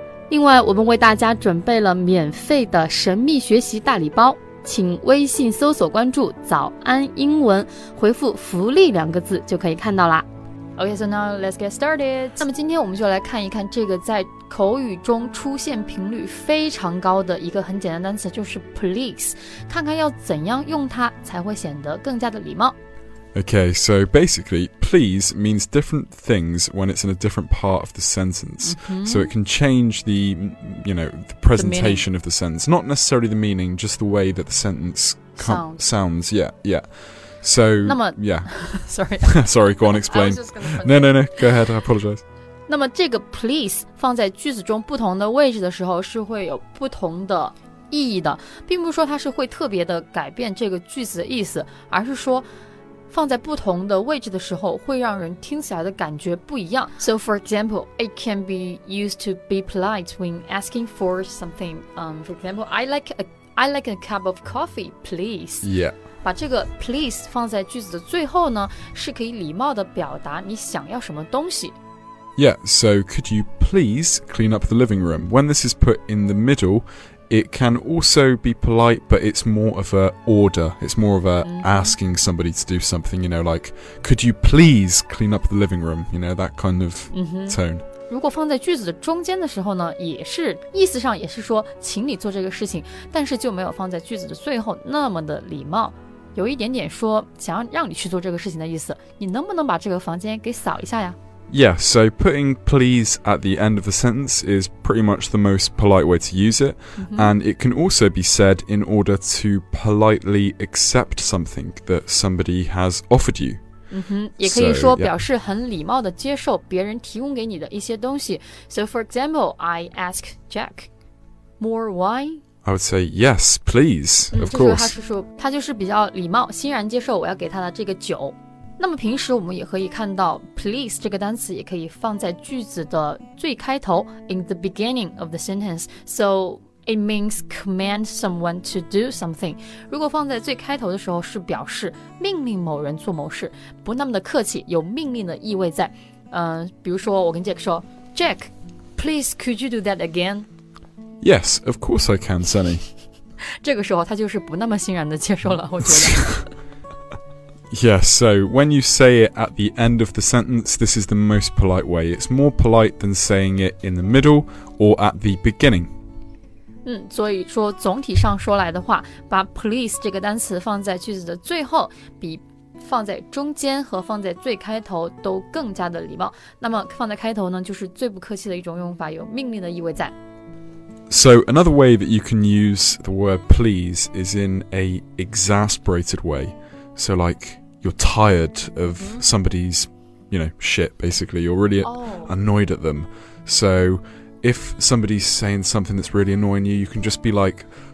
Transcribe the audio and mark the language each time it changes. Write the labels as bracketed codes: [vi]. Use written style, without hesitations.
[zh] 另外，我们为大家准备了免费的神秘学习大礼包，请微信搜索关注早安英文，回复福利两个字就可以看到啦。 [en] Okay, so now let's get started. [zh] 那么今天我们就来看一看这个在口语中出现频率非常高的一个很简单单词，就是 please. 看看要怎样用它才会显得更加的礼貌。 [en] Okay, so basically, please means different things when it's in a different part of the sentence. So it can change the, you know, the presentation of the sentence. Not necessarily the meaning, just the way that the sentence sounds. Yeah, yeah. So, [zh] 那么 [en] yeah. Sorry. Sorry, go on, explain. No, go ahead, I apologize. [zh] 那么这个 please 放在句子中不同的位置的时候是会有不同的意义的，并不是说它是会特别的改变这个句子的意思，而是说放在不同的位置的时候会让人听起来的感觉不一样。 [en] So, for example, it can be used to be polite when asking for something. For example, I like a cup of coffee, please. Yeah. [zh] 把这个 please 放在句子的最后呢，是可以礼貌地表达你想要什么东西。 [en] Yeah, so could you please clean up the living room? When this is put in the middle, it can also be polite, but it's more of an order. It's more of a asking somebody to do something, you know, like, could you please clean up the living room? You know, that kind of tone. [zh] 如果放在句子的中间的时候呢，也是意思上也是说请你做这个事情，但是就没有放在句子的最后那么的礼貌，有一点点说想要让你去做这个事情的意思，你能不能把这个房间给扫一下呀？ [en] Yeah, so putting please at the end of the sentence is pretty much the most polite way to use it, and it can also be said in order to politely accept something that somebody has offered you. [zh] 也可以说表示很礼貌地接受别人提供给你的一些东西。 [en] So, for example, I ask Jack, more wine? I would say, yes, please, of course. [zh] 就是他就是比较礼貌，欣然接受我要给他的这个酒。那么平时我们也可以看到 please 这个单词也可以放在句子的最开头 [en] in the beginning of the sentence. [zh] So... [en] It means command someone to do something. [zh] 如果放在最开头的时候是表示命令某人做某事，不那么的客气，有命令的意味在。比如说我跟 Jack 说 [en] Jack, please could you do that again? Yes, of course I can, Sunny. [zh] 这个时候他就是不那么欣然的接受了，我觉得。 [en] Yeah, so when you say it at the end of the sentence, this is the most polite way. It's more polite than saying it in the middle or at the beginning. [zh] 所以说总体上说来的话，把 please 这个单词放在句子的最后，比放在中间和放在最开头都更加的礼貌。那么放在开头呢，就是最不客气的一种用法，有命令的意味在。 [en] So another way that you can use the word please is in an exasperated way. So like you're tired of somebody's, you know, shit basically. You're really annoyed at them. So... If somebody's saying something that's really annoying you, you can just be like,